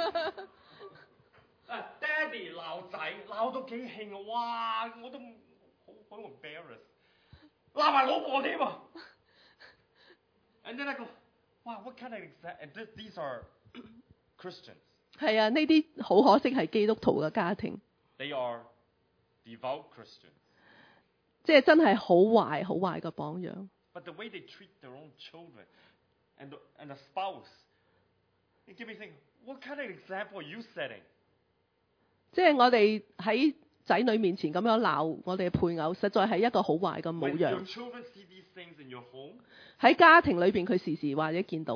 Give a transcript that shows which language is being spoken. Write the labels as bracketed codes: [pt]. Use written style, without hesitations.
[yue] Daddy 鬧仔鬧到幾興啊！哇，我都好 embarrassed. 鬧埋老婆添啊 [en] ！And then I go, wow, what kind of exact? And these are Christians. [yue] 係啊，呢啲好可惜係基督徒嘅家庭。 [en] They are devout Christians. [yue] 即係真係好壞、好壞嘅榜樣。 [en] But the way they treat their own children and the spouse, it gives me think, what kind of example are you setting? [yue] 即係我哋喺仔女面前咁樣鬧我哋配偶，實在係一個好壞嘅模樣。 [en] When your children see these things in your home, [yue] 喺家庭裏邊佢時時或者見到。